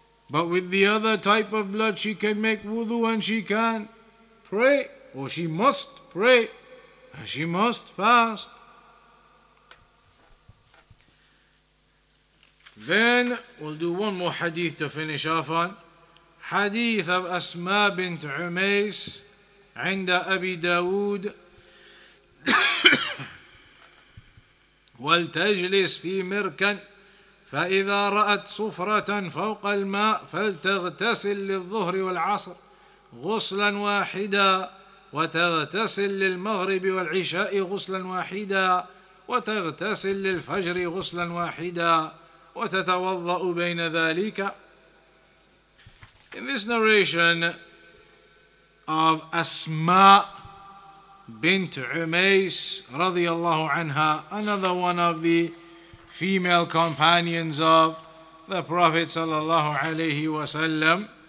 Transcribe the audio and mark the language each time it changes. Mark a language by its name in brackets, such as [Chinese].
[English] But with the other type of blood, she can make wudu and she can pray, or she must pray and she must fast. Then we'll do one more hadith to finish off on. [Arabic] حديث أب أسماء بنت عميس عند أبي داود ولتجلس في مركن فإذا رأت صفرة فوق الماء فلتغتسل للظهر والعصر غسلا واحدا وتغتسل للمغرب والعشاء غسلا واحدا وتغتسل للفجر غسلا واحدا وتتوضأ بين ذلك. [English] In this narration of Asma bint Umays radiallahu anha, another one of the female companions of the Prophet sallallahu alayhi wa sallam,